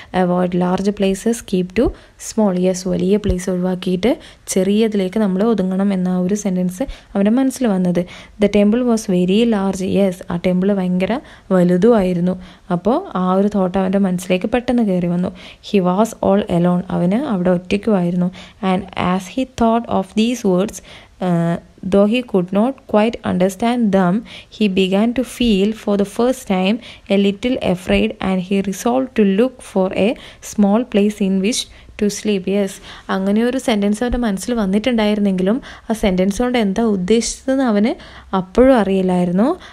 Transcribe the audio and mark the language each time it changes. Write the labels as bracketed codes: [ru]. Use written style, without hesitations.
[en] Avoid large places keep to small. [ml] Yes, വലിയ place ഒഴിവാക്കിയിട്ട് ചെറിയതിലേക്ക് നമ്മൾ ഒതുങ്ങണം എന്ന ആ ഒരു സെൻറ്റൻസ് അവൻ്റെ മനസ്സിൽ വന്നത്. [en] The temple was very large. Yes, [ml] ആ ടെമ്പിൾ ഭയങ്കര വലുതുമായിരുന്നു. അപ്പോൾ ആ ഒരു തോട്ട് അവൻ്റെ മനസ്സിലേക്ക് പെട്ടെന്ന് കയറി വന്നു. [en] he was all alone, [ml] അവന് അവിടെ ഒറ്റയ്ക്കുമായിരുന്നു. [en] And As he thought of these words, though he could not quite understand them, he began to feel for the first time a little afraid and he resolved to look for a small place in which to sleep. [ml] Yes, അങ്ങനെ ഒരു sentence അവൻ്റെ മനസ്സിൽ വന്നിട്ടുണ്ടായിരുന്നെങ്കിലും ആ sentence കൊണ്ട് എന്താ ഉദ്ദേശിച്ചതെന്ന് അവന് അപ്പോഴും അറിയില്ലായിരുന്നു.